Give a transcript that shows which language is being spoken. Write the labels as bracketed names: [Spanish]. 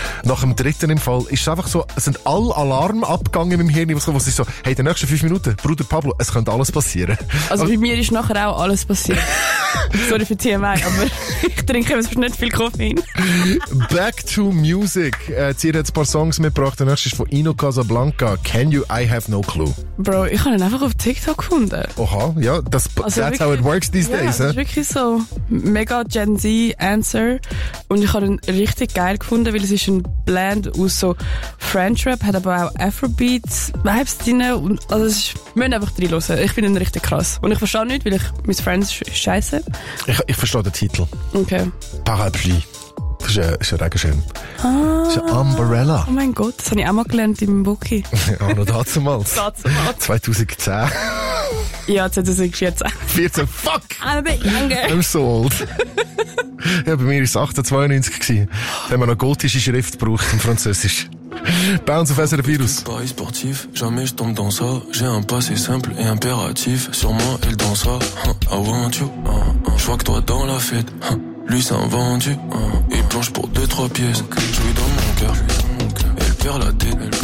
[German] Nach dem dritten im Fall ist es einfach so, es sind alle Alarme abgegangen im Hirn, wo sie so, hey, die nächsten 5 Minuten, Bruder Pablo, es könnte alles passieren. Also bei mir ist nachher auch alles passiert. Sorry für TMI, aber ich trinke jetzt nicht viel Koffein. [English] Back to music. [German] Zier hat ein paar Songs mitgebracht, der nächste ist von Ino Casablanca. [English] Can you? I have no clue. [German] Bro, ich habe ihn einfach auf TikTok gefunden. [English] Oha, ja, das, also that's wirklich, how it works these days. [German] Das ist wirklich so mega Gen Z Answer. Und ich habe ihn richtig geil gefunden, weil es ist ein Blend aus so French Rap, hat aber auch Afrobeats Vibes drin. Und, also es ist, wir müssen einfach drin hören. Ich finde ihn richtig krass. Und ich verstehe nicht, weil ich mein Friends scheiße. Ich verstehe den Titel. Okay. [French] Parapluie. [German] Das ist ein Regenschirm. Ah, das ist ein [English] Umbrella. [German] Oh mein Gott, das habe ich auch mal gelernt im Buki. Auch noch dazumals. Dazumals. 2010. Ja, 2014. 14, fuck! [English] I'm a bit younger. I'm so old. [German] Ja, bei mir war es 1892 gewesen. Da haben wir noch gotische Schrift gebraucht im Französisch. Bounce auf SRF Virus. [French] Je suis pas sportif, jamais je tombe dans ça. J'ai un passé simple et impératif. Sur moi, elle dans ça. I want you. Je vois que toi dans la fête. Lui c'est un vendu, il planche pour 2-3 pièces. Okay. Je lui donne mon cœur, elle perd la tête.